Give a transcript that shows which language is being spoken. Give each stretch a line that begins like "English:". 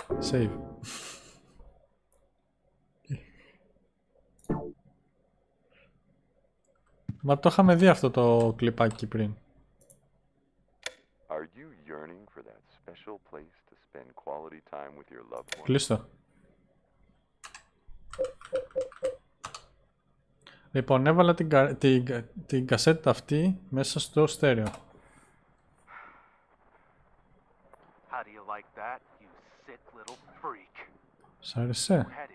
English: Save.
Greek: Μα το είχαμε δει αυτό το κλιπάκι πριν.
English: Are you yearning for that special place to spend quality time with your loved one?
Greek: Κλείστο. Λοιπόν, έβαλα την κασέτα αυτή μέσα στο στέρεο.
English: How do you like that, you sick little freak?
Greek: Σ' άρεσε.